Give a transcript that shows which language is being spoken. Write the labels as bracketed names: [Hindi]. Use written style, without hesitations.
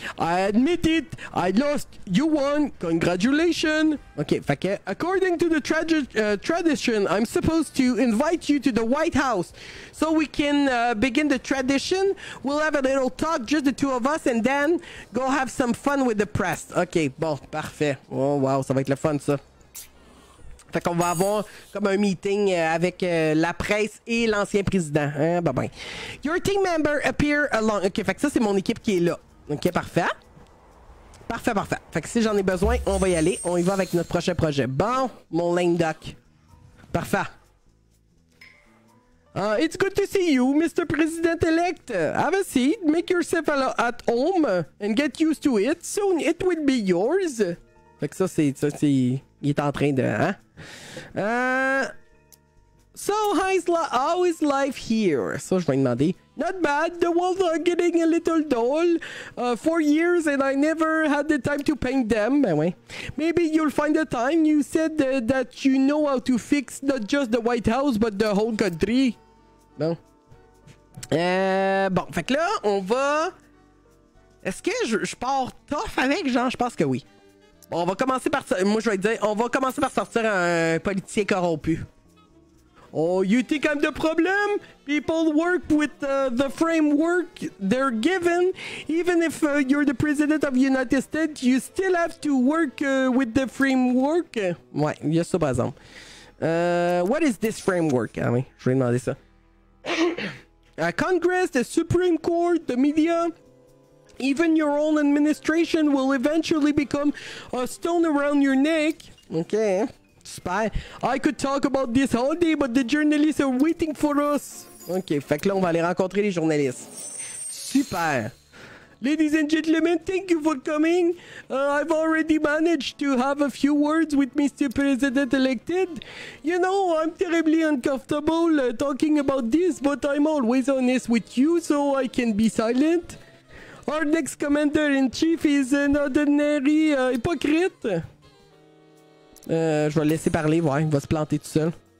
[English] I admit it, I lost, you won, congratulations. [French] OK, fait que, [English] according to the tradition, I'm supposed to invite you to the White House so we can begin the tradition. We'll have a little talk, just the two of us, and then go have some fun with the press. [French] OK, bon, parfait. Oh wow, ça va être le fun ça. Fait qu'on va avoir comme un meeting avec la presse et l'ancien président. Hein? Bye bye. [English] Your team member appear along. [French] OK, fait que ça, c'est mon équipe qui est là. OK, parfait. Parfait, parfait. Fait que si j'en ai besoin, on va y aller. On y va avec notre prochain projet. Bon, mon lame duck. Parfait. [English] It's good to see you, Mr. President-elect. Have a seat. Make yourself at home and get used to it. Soon it will be yours. [French] Fait que ça, c'est... Il est en train de... Hein? [English] So, how's life here? [French] So, je vais demander. [English] Not bad. The walls are getting a little dull. 4 years and I never had the time to paint them. Anyway, maybe you'll find the time. You said that you know how to fix not just the White House, but the whole country. [French] Bon. Bon, fait que là, on va... Est-ce que je pars tough avec Jean? Je pense que oui. Bon, on va commencer par... Moi, je vais dire, on va commencer par sortir un policier corrompu. [English] Oh, you think I'm the problem? People work with the framework they're given. Even if you're the president of the United States, you still have to work with the framework. [French] Ouais, il y a ça par exemple. [English] What is this framework? [French] Ah oui, je vais demander ça. [English] Congress, the Supreme Court, the media, even your own administration will eventually become a stone around your neck. Okay. Super. I could talk about this all day, but the journalists are waiting for us. [French] Ok, fait que là, on va aller rencontrer les journalistes. [English] Super. Ladies and gentlemen, thank you for coming. I've already managed to have a few words with Mr. President elected. You know, I'm terribly uncomfortable talking about this, but I'm always honest with you, so I can be silent. Our next commander-in-chief is an ordinary hypocrite. [French] Je vais le laisser parler, ouais, il va se planter tout seul.